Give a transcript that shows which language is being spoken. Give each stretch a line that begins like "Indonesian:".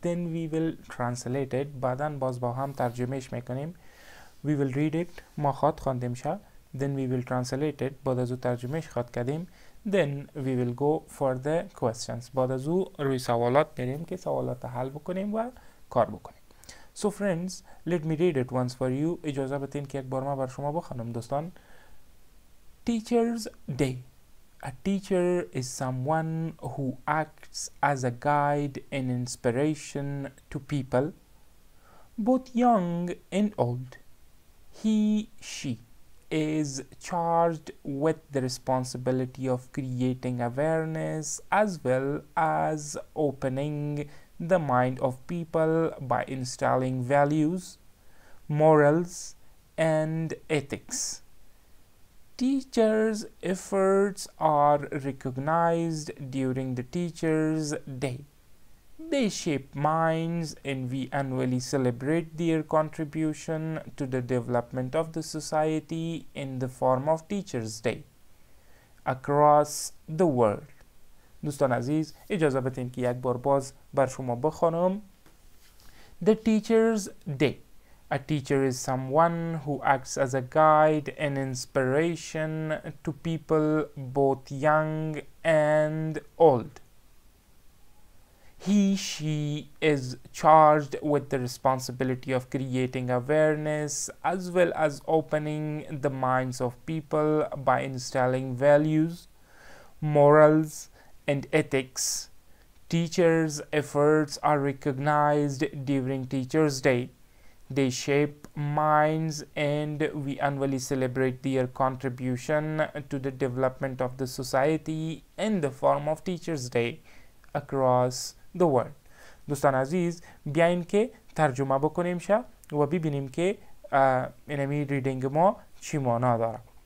English: Then we will translate it.
Persian: بعدن باز با هم ترجمهش میکنیم.
English: We will read it.
Persian: ما خواد خواندیم شا.
English: Then we will translate it.
Persian: بعد از او ترجمهش خواد کردیم.
English: Then we will go for the questions.
Persian: بعد از او روی سوالات میریم که سوالات حل بکنیم و کار بکنیم.
English: So friends, let me read it once for you.
Persian: اجازه بدین که یک بار ما بر شما بخونم دوستان.
English: Teacher's Day. A teacher is someone who acts as a guide and inspiration to people, both young and old. He, she is charged with the responsibility of creating awareness as well as opening the mind of people by instilling values, morals, and ethics. Teachers' efforts are recognized during the Teachers' Day. They shape minds, and we annually celebrate their contribution to the development of the society in the form of Teachers' Day across the world.
Persian: دوستان عزیز، اجازه بدین که یک بار باز بر شما بخونم.
English: The Teacher's Day. A teacher is someone who acts as a guide and inspiration to people both young and old. He, she is charged with the responsibility of creating awareness as well as opening the minds of people by instilling values, morals, and ethics. Teachers' efforts are recognized during Teachers' Day. They shape minds, and we annually celebrate their contribution to the development of the society in the form of Teachers' Day across the world.
Persian: دوستان عزیز، بیاین که ترجمه بکنیم شا و ببینیم که انمی ریدینگ ما چی معنا داره.